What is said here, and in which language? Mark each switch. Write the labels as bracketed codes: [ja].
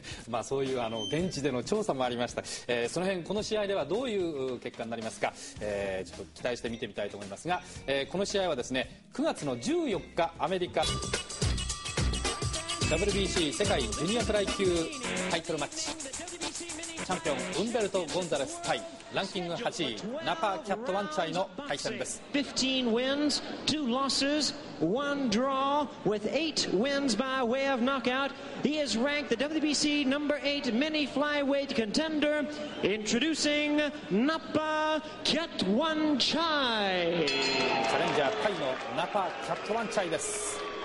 [ja] まあそういう現地での調査もありました、その辺この試合ではどういう結果になりますか、ちょっと期待して見てみたいと思いますが、この試合はですね9月の14日アメリカ WBC 世界ジュニアフライ級タイトルマッチ、チャンピオンウンベルト・ゴンザレス対ランキング8位ナパ・キャット・ワンチャイの対戦です。 [en] 15 wins, 2 losses, 1 draw with 8 wins by way of knockout. He is ranked the WBC number 8 mini flyweight contender. Introducing Napa Kyatwanchai. [ja] チャレンジャータイのナパ・キャット・ワンチャイです。